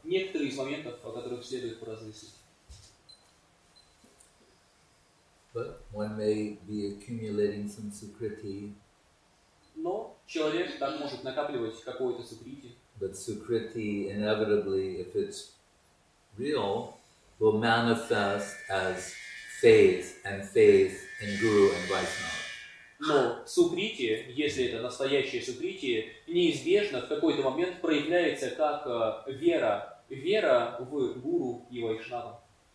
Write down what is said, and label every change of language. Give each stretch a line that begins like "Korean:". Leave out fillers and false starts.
Russian: некоторые из моментов, о которых следует поразмыслить.
English: But one may be accumulating some sukriti.
Russian: Но человек так может накапливать какое-то сукрити.
English: But sukriti inevitably, if it's real, will manifest as faith and faith in guru and vaishnava.
Russian: Но сукрити, если это настоящее сукрити, неизбежно в какой-то момент проявляется как вера в гуру и вайшнава.